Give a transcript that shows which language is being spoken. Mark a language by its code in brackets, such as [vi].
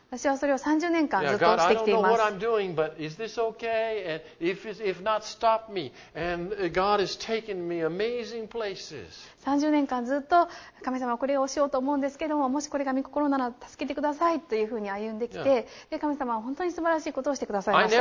[ja] 私はそれを30年間ずっとしてきています。 [en] Yeah, God, I don't know what I'm doing, but is this okay? And if not, stop me. And God has taken me amazing places. [ja] 30年間ずっと神様これをしようと思うんですけども、もしこれが御心なら助けてくださいというふうに歩んできて、で神様は本当に素晴らしいことをしてくださいました。